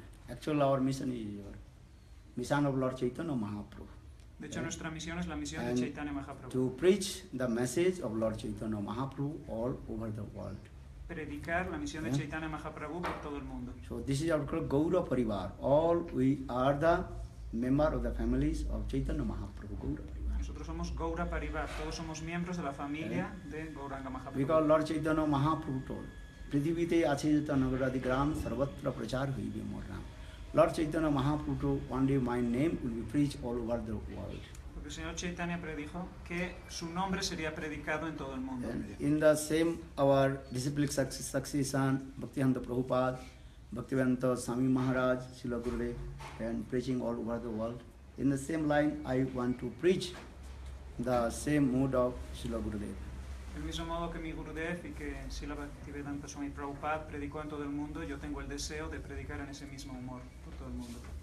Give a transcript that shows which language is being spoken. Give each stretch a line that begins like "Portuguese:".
English: Actually, our mission is your mission of Lord Chaitanya Mahaprabhu.
Spanish: De hecho, nuestra misión es la misión de Chaitanya Mahaprabhu.
English: To preach the message of Lord Chaitanya Mahaprabhu all over the world.
Spanish: Predicar la misión de Chaitanya Mahaprabhu por todo el mundo.
English: So this is our called Gaura Parivar. All we are the member of the families of Chaitanya Mahaprabhu. Gaura Parivar.
Spanish: Nosotros somos Gaura Parivar. Todos somos miembros de la familia de Gauranga Mahaprabhu.
English: Because Lord Chaitanya Mahaprabhu told.
Bangla: पृथ्वीते आचेत नगरादिग्राम सर्वत्र प्रचार हुईवे मोर नाम
English: lord Chaitanya Mahaprabhu one day my name will be preach all over the world
Spanish: porque señor Chaitanya predijo que su nombre sería predicado en todo el mundo
English: in the same our disciplic succession Bhaktivedanta Prabhupad Bhaktivedanta Swami Maharaj Srila Gurudev and preaching all over the world in the same line I want to preach the same mood of Srila Gurudev
Spanish: Del mismo modo que mi Gurudev y que Srila Bhaktivedanta Swami Prabhupada predicó en todo el mundo, yo tengo el deseo de predicar en ese mismo humor por todo el mundo.